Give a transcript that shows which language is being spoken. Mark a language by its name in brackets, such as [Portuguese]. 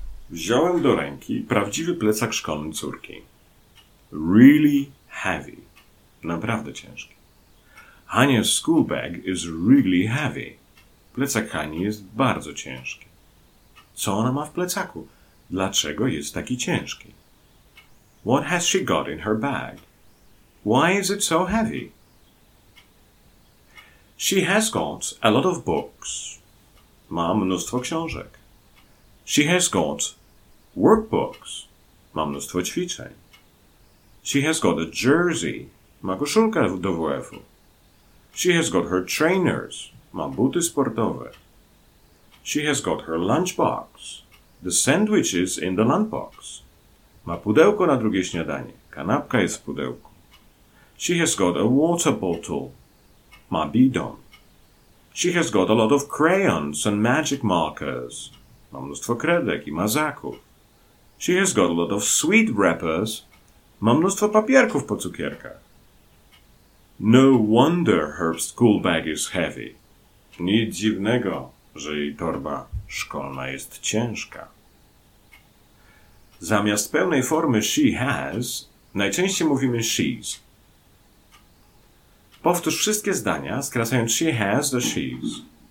[Polish] Wziąłem do ręki prawdziwy plecak szkolny córki. [English] Really heavy. [Polish] Naprawdę ciężki. [English] Hania's school bag is really heavy. [Polish] Plecak Hani jest bardzo ciężki. Co ona ma w plecaku? Dlaczego jest taki ciężki? [English] What has she got in her bag? Why is it so heavy? She has got a lot of books. [Polish] Ma mnóstwo książek. [English] She has got workbooks. [Polish] Ma mnóstwo ćwiczeń. [English] She has got a jersey. [Polish] Ma koszulkę do WF-u. [English] She has got her trainers. [Polish] Ma buty sportowe. [English] She has got her lunchbox. The sandwich is in the lunchbox. [Polish] Ma pudełko na drugie śniadanie. Kanapka jest w pudełku. [English] She has got a water bottle. [Polish] Ma bidon. [English] She has got a lot of crayons and magic markers. [Polish] Ma mnóstwo kredek i mazaków. [English] She has got a lot of sweet wrappers. [Polish] Ma mnóstwo papierków po cukierkach. [English] No wonder her school bag is heavy. [Polish] Nic dziwnego, że jej torba szkolna jest ciężka. Zamiast pełnej formy she has, najczęściej mówimy she's. Powtórz wszystkie zdania, skracając she has do she's.